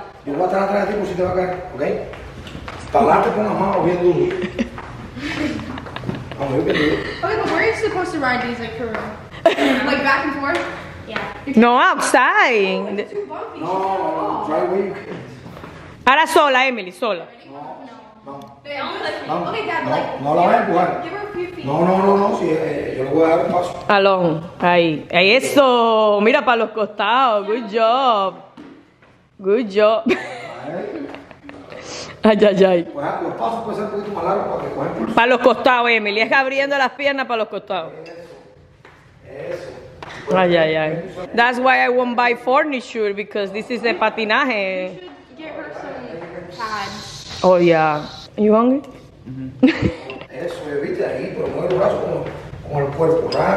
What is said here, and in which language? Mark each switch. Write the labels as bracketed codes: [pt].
[es] Yo voy a estar atrás de ti por si te va a caer, ¿ok? Palate con las manos bien duro. Vamos, yo quiero. [en] Okay, but where are you supposed to ride these, like, for real? Like, back and forth? Yeah. No, outside. Oh, it's too bumpy. No, no, no, no. Try where you can. [es] Ahora sola, Emily, sola. [en] Ready? No, no. No. Okay, Dad, no, like, [es] no, no la voy a empujar. [en] Give her a few feet. [es] No, no, no, no, sí, yo le voy a dar un paso. Along, ahí. Ahí, eso. Mira para los costados. [en] Good job. Good job. Ay, ay, ay. [es] Los pasos pueden ser un poquito más largos para que cogen por para los costados, Emily. Es abriendo las piernas para los costados. Eso. Ay, ay, ay. [en] That's why I won't buy furniture, because this is the patinaje. You should get her some pads. Oh, yeah. Are you hungry? [es] Eso, evite ahí, pero mueve el brazo con el cuerpo.